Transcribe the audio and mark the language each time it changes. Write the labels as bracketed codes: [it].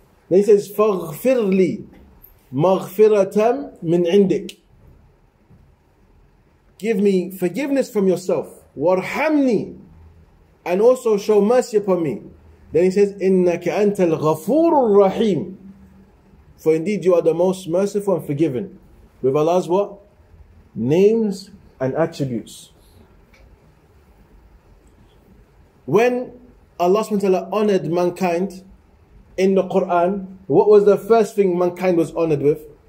[en] Then he says, [ar] فَغْفِرْ لِي مَغْفِرَةً مِنْ عِنْدِكَ. [en] Give me forgiveness from yourself. [ar] وَارْحَمْنِي. [en] And also show mercy upon me. Then he says, [ar] إِنَّكَ أَنْتَ الْغَفُورُ الرَّحِيمُ. [en] For indeed you are the most merciful and forgiving. With Allah's what? Names and attributes. When Allah subhanahu wa ta'ala honored mankind in the Quran, what was the first thing mankind was honored with?